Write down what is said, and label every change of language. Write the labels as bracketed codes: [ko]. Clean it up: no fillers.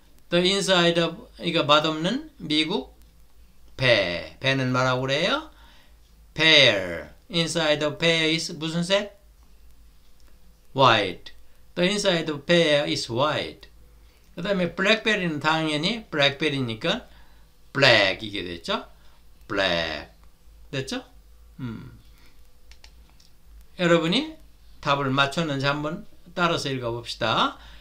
[en] The inside of, [ko] 이거 맛없는 미국 배. 배는 뭐라고 그래요? Pear. [en] Inside of pear is [ko] 무슨 색? [en] White. The inside of pear is white. [ko] 그 다음에 blackberry는 당연히 blackberry니까 black 이게 됐죠? Black. 됐죠? 여러분이 답을 맞췄는지 한번 따라서 읽어봅시다.